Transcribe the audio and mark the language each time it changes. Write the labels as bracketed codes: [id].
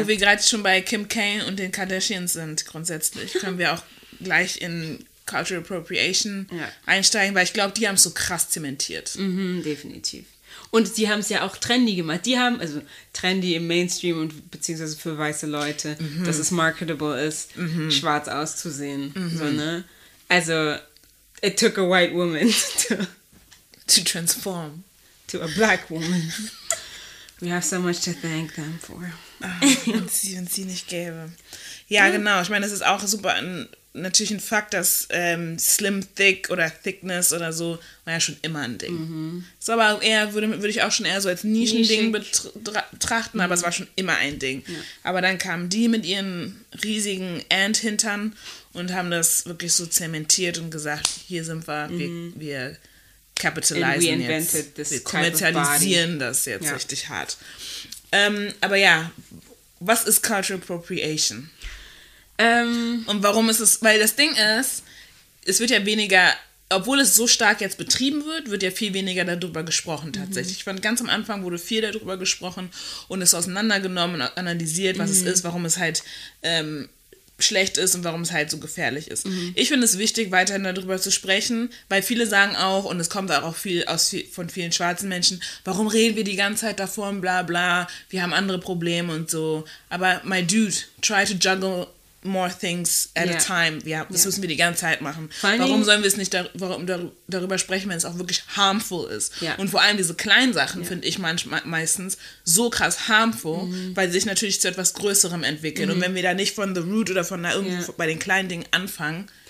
[de] Aber wo wir gerade schon bei Kim K und den Kardashians sind, grundsätzlich, können wir auch gleich in Cultural Appropriation einsteigen, weil ich glaube, die haben es so krass zementiert. Mhm, definitiv. Und die haben es ja auch trendy gemacht. Die haben, also trendy im Mainstream und beziehungsweise für weiße Leute, dass es marketable ist, schwarz auszusehen. So, ne? [en] Also, it took a white woman to transform to a black woman. We have so much to thank them for. [de] Wenn sie nicht gäbe. Ja, mhm. Genau. Ich meine, es ist auch super natürlich ein Fakt, dass Slim Thick oder Thickness oder so war ja schon immer ein Ding. Mhm. So, aber eher würde ich auch schon eher so als Nischending betrachten, aber es war schon immer ein Ding. Ja. Aber dann kamen die mit ihren riesigen Ant-Hintern und haben das wirklich so zementiert und gesagt, hier sind wir, wir capitalisieren jetzt. Wir kommerzialisieren das jetzt richtig hart. Aber ja, was ist Cultural Appropriation? Und warum ist es, weil das Ding ist, es wird ja weniger, obwohl es so stark jetzt betrieben wird, wird ja viel weniger darüber gesprochen tatsächlich. Mhm. Ich fand, ganz am Anfang wurde viel darüber gesprochen und es auseinandergenommen, analysiert, was es ist, warum es halt schlecht ist und warum es halt so gefährlich ist. Mhm. Ich finde es wichtig, weiterhin darüber zu sprechen, weil viele sagen auch, und es kommt auch viel von vielen schwarzen Menschen, warum reden wir die ganze Zeit davon, bla bla, wir haben andere Probleme und so. [en] Aber my dude, try to juggle more things at a time. [de] Ja, das müssen wir die ganze Zeit machen. Warum sollen wir es nicht darüber sprechen, wenn es auch wirklich harmful ist? Yeah. Und vor allem diese kleinen Sachen finde ich meistens so krass harmful, weil sie sich natürlich zu etwas Größerem entwickeln. Mhm. Und wenn wir da nicht von [en] the root [de] oder von da irgendwo bei den kleinen Dingen anfangen.